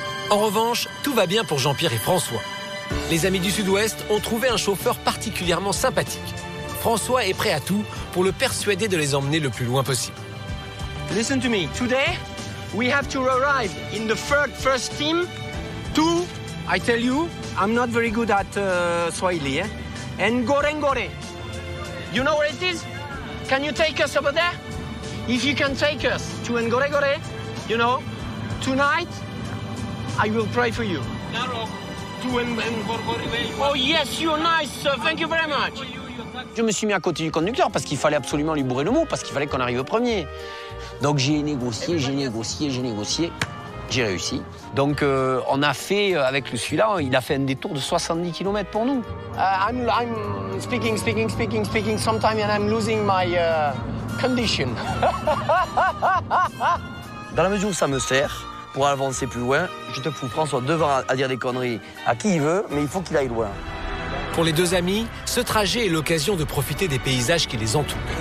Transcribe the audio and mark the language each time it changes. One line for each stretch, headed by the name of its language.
French: En revanche, tout va bien pour Jean-Pierre et François. Les amis du Sud-Ouest ont trouvé un chauffeur particulièrement sympathique. François est prêt à tout pour le persuader de les emmener le plus loin possible.
English: Listen to me. Today, we have to arrive in the first team. Two, I tell you. I'm not very good at Swahili, eh? And Gorengore. You know where it is? Can you take us over there? If you can take us to Ngorengore, you know, tonight, I will pray for you. Naro, to Ngorengore. Oh yes, you're nice, sir. Thank you very much.
French: Je me suis mis à côté du conducteur parce qu'il fallait absolument lui bourrer le mot, parce qu'il fallait qu'on arrive au premier. Donc j'ai négocié. J'ai réussi. Donc, on a fait, avec celui-là, il a fait un détour de 70 km pour nous.
English: I'm speaking sometimes and I'm losing my condition.
French: Dans la mesure où ça me sert, pour avancer plus loin, je te fous, François, devant à dire des conneries à qui il veut, mais il faut qu'il aille loin. Pour les deux amis, ce trajet est l'occasion de profiter des paysages qui les entourent.